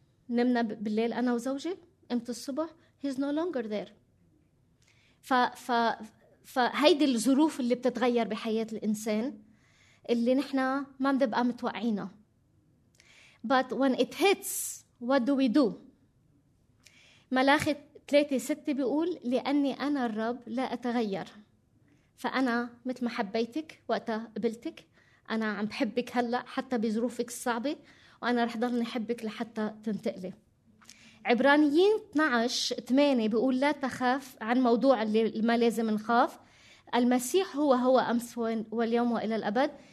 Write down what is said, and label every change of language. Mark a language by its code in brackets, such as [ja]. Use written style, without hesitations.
[ar] نمنا بالليل أنا وزوجي قمت الصبح [en] he's no longer there. [ar] فهيدي الظروف اللي بتتغير بحياة الإنسان اللي نحنا ما بنبقى متوقعينها. [en] But when it hits, what do we do? [ar] ملاخي 3:6 بيقول لأني أنا الرب لا أتغير. فأنا مثل ما حبيتك وقتها قبلتك، أنا عم بحبك هلأ حتى بظروفك الصعبة، وأنا رح ضلني حبك لحتى تنتقلي. عبرانيين 12:8 بيقول لا تخاف، عن موضوع اللي ما لازم نخاف، المسيح هو أمس واليوم وإلى الأبد.